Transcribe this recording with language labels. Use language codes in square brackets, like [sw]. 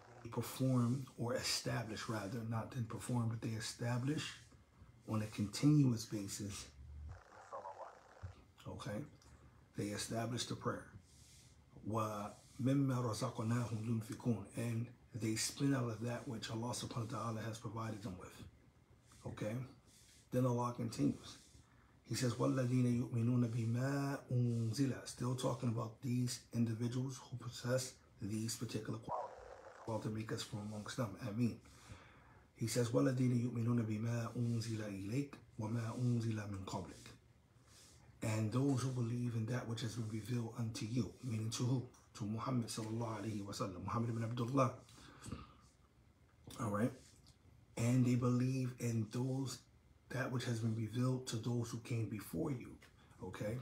[en] Perform or establish, rather, not then perform, but they establish on a continuous basis. Okay. They establish the prayer. [ar] Wa mimma razaqnahum yunfiqun. [en] And they spin out of that which Allah subhanahu wa ta'ala has provided them with. Okay? Then Allah continues. He says, [ar] وَالَّذِينَ يُؤْمِنُونَ بِمَا أُنزِلَ. [en] Still talking about these individuals who possess these particular qualities. Well, to make us from amongst them. I mean. He says, [ar] وَالَّذِينَ يُؤْمِنُونَ بِمَا أُنزِلَ إِلَيْكَ وَمَا أُنزِلَ مِنْ قَبْلِكَ. [en] And those who believe in that which has been revealed unto you. Meaning to who? To Muhammad sallallahu alayhi wa sallam. Muhammad ibn Abdullah. All right. And they believe in those, that which has been revealed to those who came before you. Okay.